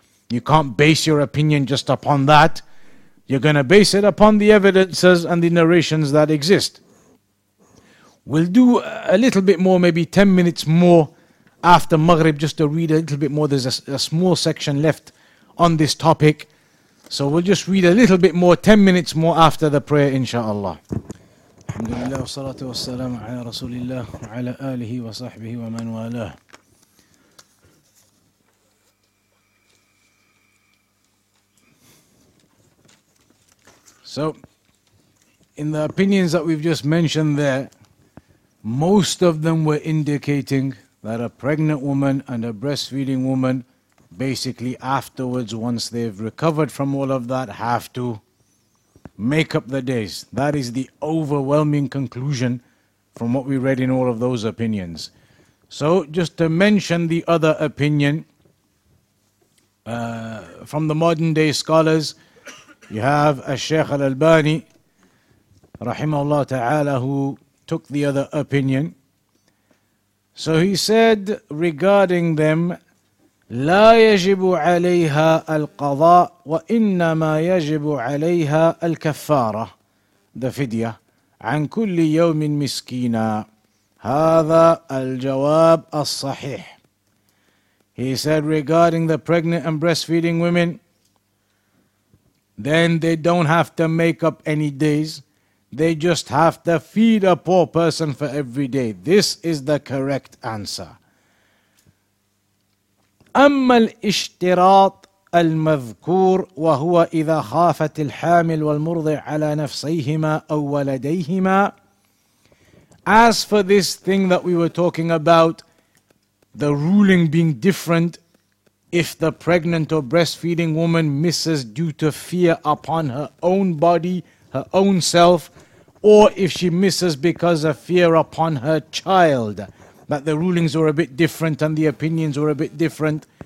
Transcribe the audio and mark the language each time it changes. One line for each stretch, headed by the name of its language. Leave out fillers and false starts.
English: You can't base your opinion just upon that. You're going to base it upon the evidences and the narrations that exist. We'll do a little bit more, maybe 10 minutes more after Maghrib, just to read a little bit more. There's a small section left on this topic. So we'll just read a little bit more, 10 minutes more after the prayer, inshallah.
Arabic: الحمد لله والصلاة والسلام على رسول الله وعلى آله وصحبه ومن والاه.
English: So in the opinions that we've just mentioned there, most of them were indicating that a pregnant woman and a breastfeeding woman, basically afterwards, once they've recovered from all of that, have to make up the days. That is the overwhelming conclusion from what we read in all of those opinions. So just to mention the other opinion, from the modern day scholars, you have Al-Shaykh Al-Albani, rahimahullah ta'ala, who took the other opinion. So he said regarding them,
Arabic: لا يجب عليها القضاء وإنما يجب عليها الكفارة the فدية عن كل يوم مسكينا هذا الجواب الصحيح.
English: He said regarding the pregnant and breastfeeding women, then they don't have to make up any days. They just have to feed a poor person for every day. This is the correct answer.
Arabic: أما الاشتراط المذكور وهو إذا خافت الحامل والمرضع على نفسيهما أو ولديهما.
English: As for this thing that we were talking about, the ruling being different if the pregnant or breastfeeding woman misses due to fear upon her own body, her own self, or if she misses because of fear upon her child, that the rulings were a bit different and the opinions were a bit different.